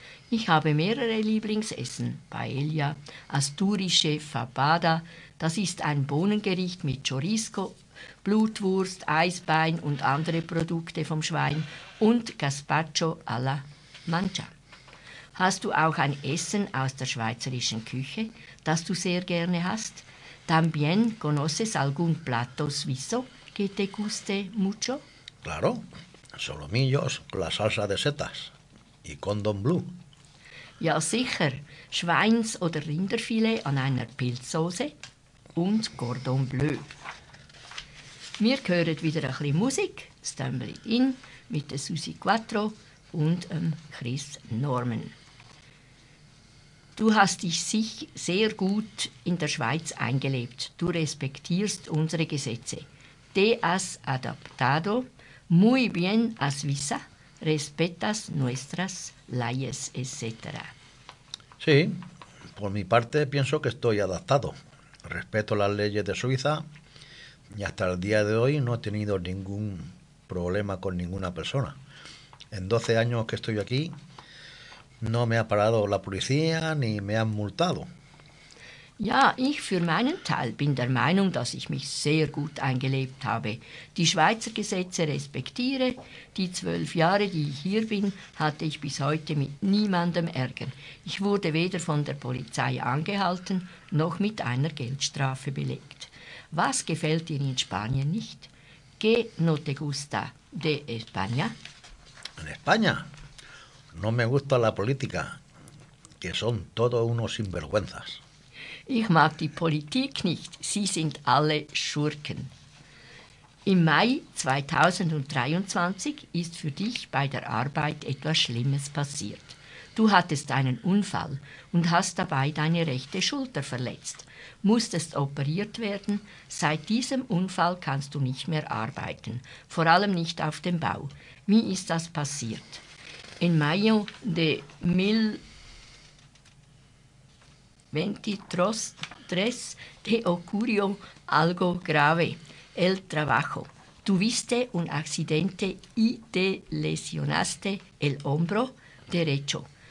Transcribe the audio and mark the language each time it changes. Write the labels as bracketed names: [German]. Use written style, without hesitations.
[German] Ich habe mehrere Lieblingsessen. Paella, asturische Fabada, das ist ein Bohnengericht mit Chorizo, Blutwurst, Eisbein und andere Produkte vom Schwein und Gazpacho a la Mancha. Hast du auch ein Essen aus der schweizerischen Küche, das du sehr gerne hast? [Spanish] También conoces algún plato suizo que te guste mucho? Claro, solomillos con la salsa de setas y condon blue. [German] Ja, sicher. Schweins- oder Rinderfilet an einer Pilzsoße und Cordon Bleu. Wir hören wieder ein bisschen Musik. Stumble It In mit der Susi Quattro und Chris Norman. Du hast dich sehr gut in der Schweiz eingelebt. Du respektierst unsere Gesetze. [Spanish] Te has adaptado muy bien a Suiza. Respetas nuestras leyes, etc. Sí, por mi parte pienso que estoy adaptado. Respeto las leyes de Suiza y hasta el día de hoy no he tenido ningún problema con ninguna persona. En 12 años que estoy aquí no me ha parado la policía ni me han multado. [German] Ja, ich für meinen Teil bin der Meinung, dass ich mich sehr gut eingelebt habe. Die Schweizer Gesetze respektiere. Die 12 Jahre, die ich hier bin, hatte ich bis heute mit niemandem Ärger. Ich wurde weder von der Polizei angehalten, noch mit einer Geldstrafe belegt. Was gefällt dir in Spanien nicht? [Spanish] ¿Qué no te gusta de España? En España no me gusta la política, que son todos unos sinvergüenzas. [German] Ich mag die Politik nicht. Sie sind alle Schurken. Im Mai 2023 ist für dich bei der Arbeit etwas Schlimmes passiert. Du hattest einen Unfall und hast dabei deine rechte Schulter verletzt. Musstest operiert werden. Seit diesem Unfall kannst du nicht mehr arbeiten, vor allem nicht auf dem Bau. Wie ist das passiert? [Spanish] In Mayo de 23, te ocurrió algo grave, el trabajo. Tuviste un accidente y te lesionaste el hombro derecho.